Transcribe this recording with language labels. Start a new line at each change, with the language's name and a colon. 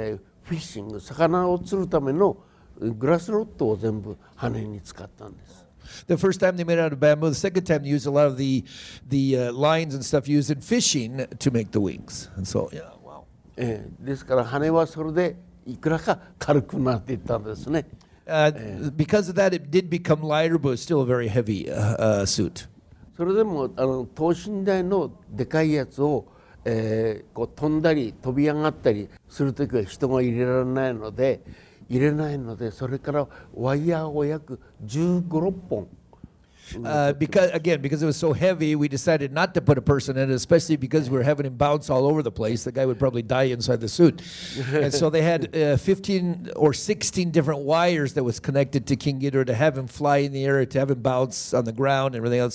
Japanese: それにこう、切れを貼って羽を作ったんですが、2度目の時には、今度はフィッシング、魚を釣るための
English: The first time they made it out of bamboo, the second time they used a lot of the lines and stuff used in fishing to make the wings. And so, yeah, wow. Because of that, it did become lighter, but it's still a very heavy suit.
Japanese: それでも等身大のでかいやつを飛んだり飛び上がったりするときは人が入れられないので、
English: Because it was so heavy, we decided not to put a person in it, especially because we were having him bounce all over the place. The guy would probably die inside the suit. And so they had 15 or 16 different wires that was connected to King Ghidorah to have him fly in the air, to have him bounce on the ground and everything else.